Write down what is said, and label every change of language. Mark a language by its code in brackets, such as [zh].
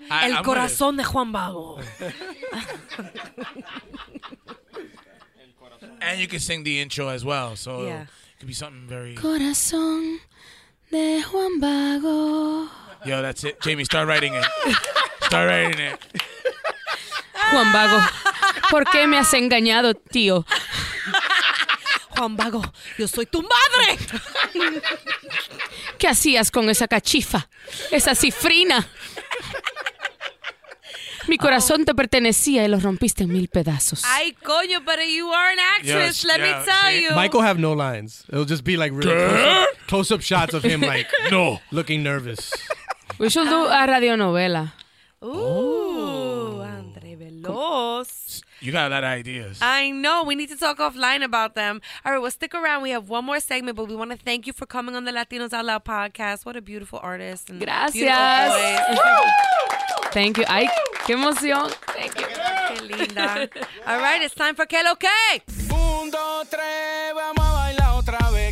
[es] El corazón de Juan Bago. [en] And you can sing the intro as well, so yeah, it could be something very... [es] Corazón de Juan Bago. [en] Yo, that's it. Jamie, start writing it. Start writing it. [es] Juan Vago, ¿por qué me has engañado, tío? Juan Vago, yo soy tu madre. ¿Qué hacías con esa cachifa? Esa cifrina. Mi corazón te pertenecía y lo rompiste en mil pedazos. Ay, coño, [en] but you are an actress, yes, let me tell you. Michael have no lines. It'll just be like really close-up shots of him like, no, looking nervous. We should do a radionovela. Ooh, André Veloz. You got a lot of ideas. I know. We need to talk offline about them. All right, well, stick around. We have one more segment, but we want to thank you for coming on the Latinos Out Loud podcast. What a beautiful artist. And gracias. Beautiful. Thank you. [es] Ay, qué emoción. [en] Thank you. [es] Qué linda. [en] All right, it's time for Que Lo Que. [es] Un, dos, tres, vamos a bailar otra vez.